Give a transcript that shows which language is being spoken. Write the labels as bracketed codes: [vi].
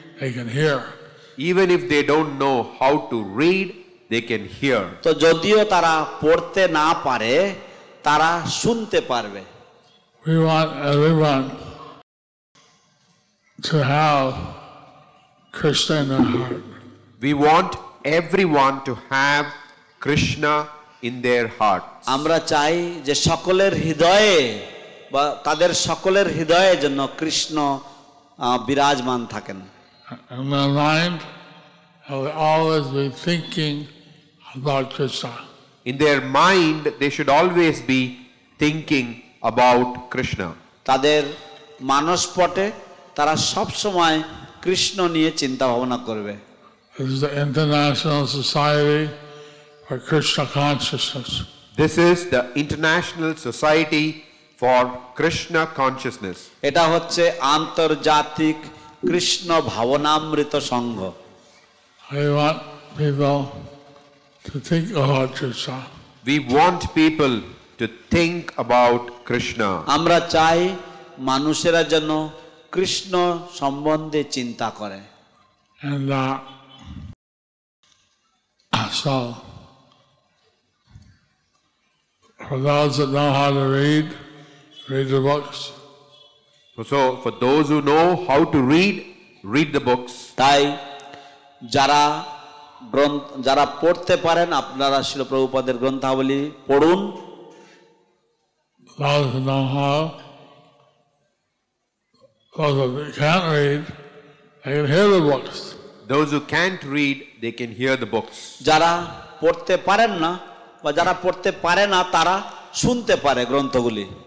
[en] Even if they don't know how to read, they can hear. [bn] তো যদিও তারা পড়তে না পারে তারা শুনতে পারবে। [en] We want everyone to have Krishna in their heart. We want everyone to have Krishna in their heart. [bn] আমরা চাই যে সকলের হৃদয়ে বা তাদের সকলের হৃদয়ে যেন কৃষ্ণ বিরাজমান থাকেন। [en] In our mind, they always be thinking about Krishna. In their mind, they should always be thinking about Krishna. [bn] তাদের মানসপটে তারা সব সময় কৃষ্ণ নিয়ে চিন্তা ভাবনা করবে। [en] This is the International Society for Krishna Consciousness. This is the International Society for Krishna Consciousness. [bn] এটা হচ্ছে আন্তর্জাতিক কৃষ্ণ ভাবনামৃত সংঘ। [en] I want people to think about Krishna. We want people to think about Krishna. [bn] আমরা চাই মানুষেরা যেন কৃষ্ণ সম্বন্ধে চিন্তা করে। [en] And so for those that know how to read, read the books. So for those who know how to read, read the books. [bn] তাই যারা গ্রন্থ যারা পড়তে পারেন আপনারা শ্রীল প্রভুপাদের গ্রন্থাবলী পড়ুন। [en] Those who know how, those who can't read, they can hear the books. Those who can't read, they can hear the books. [bn] যারা পড়তে পারেন না বা যারা পড়তে পারে না তারা শুনতে পারে গ্রন্থগুলি।